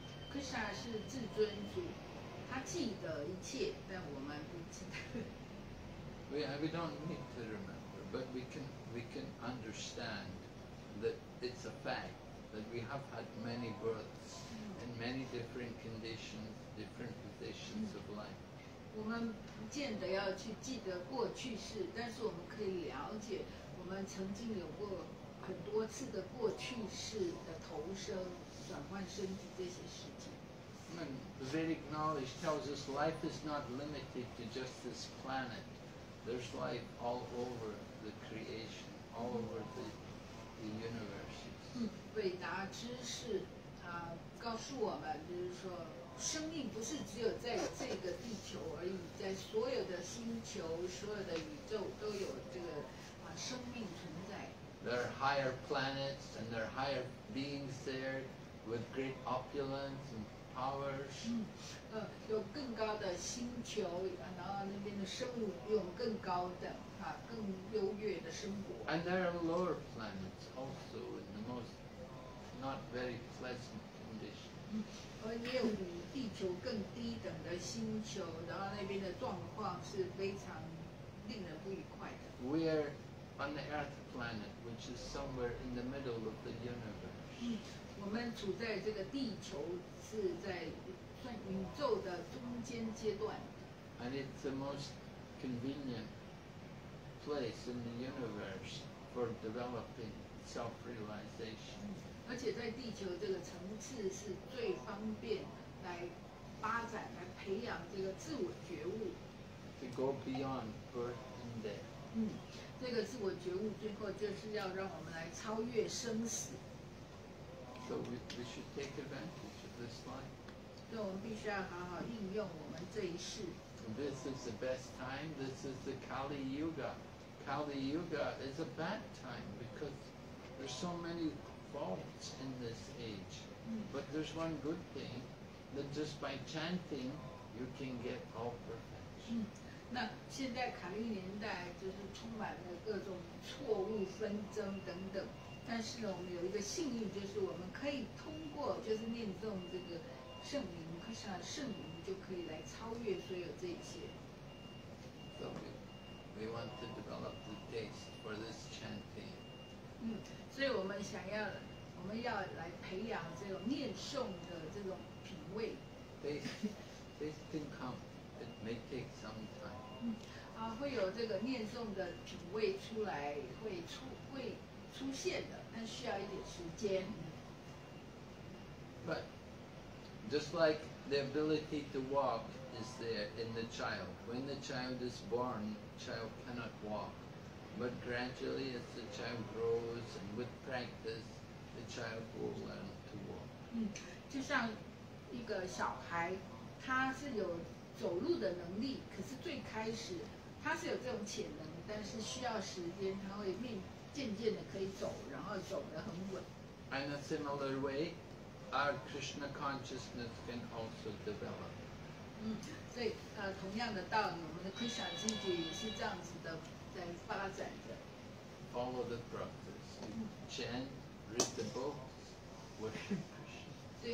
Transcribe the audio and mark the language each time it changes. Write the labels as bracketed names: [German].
[Chinese] Krishna 是至尊主，他记得一切，但我们不记得。 [English] We don't need to remember, but we can understand that it's a fact that we have had many births in many different conditions, different positions of life. [Chinese] 我们不见得要去记得过去式，但是我们可以了解我们曾经有过很多次的过去式的投生。 [English] I mean, the Vedic knowledge tells us life is not limited to just this planet. There's life all over the creation, all over the universe. [Chinese] 伟达知识啊，告诉我们，就是说，生命不是只有在这个地球而已，在所有的星球、所有的宇宙都有这个啊生命存在。 [English] There are higher planets and there are higher beings there. With great opulence and powers. [Chinese] 有更高的星球，然后那边的生物有更高的啊，更优越的生活。 [English] And there are lower planets also in the most not very pleasant condition. [Chinese] 也有比地球更低等的星球，然后那边的状况是非常令人不愉快的。 [English] We are on the Earth planet, which is somewhere in the middle of the universe. [Chinese] 我们处在这个地球是在宇宙的中间阶段。 [English] And it's the most convenient place in the universe for developing self-realization. [Chinese] 而且在地球这个层次是最方便来发展、来培养这个自我觉悟。 [English] To go beyond birth and death. [Chinese] 这个自我觉悟最后就是要让我们来超越生死。 [English] So we should take advantage of this life. [Chinese] 所以我们必须要好好应用我们这一世。 [English] This is the best time. This is the Kali Yuga. Kali Yuga is a bad time because there's so many faults in this age. But there's one good thing that just by chanting, you can get all perfection. [Chinese] 那现在卡利年代就是充满了各种错误、纷争等等。但是呢，我们有一个幸运，就是我们可以通过就是念诵这个圣名，克什纳圣名，就可以来超越所有这一切。 [English] So we want to develop the taste for this chanting. [Chinese] 所以我们想要，我们要来培养这种念诵的这种品味。 [English] Taste can come, it may take some time. [Chinese] 会有这个念诵的品味出来，会出现的，但需要一点时间。 [English] But just like the ability to walk is there in the child, when the child is born, the child cannot walk. But gradually, as the child grows and with practice, the child will learn to walk. [Chinese] 就像一个小孩，他是有走路的能力，可是最开始他是有这种潜能，但是需要时间，他会渐渐的可以走，然后走得很稳。 [English] In a similar way, our Krishna consciousness can also develop. [Chinese] 所以同样的道理，我们的 Krishna 自己也是这样子的在发展的。 [English] Follow the practice. Chant, read the books, worship Krishna.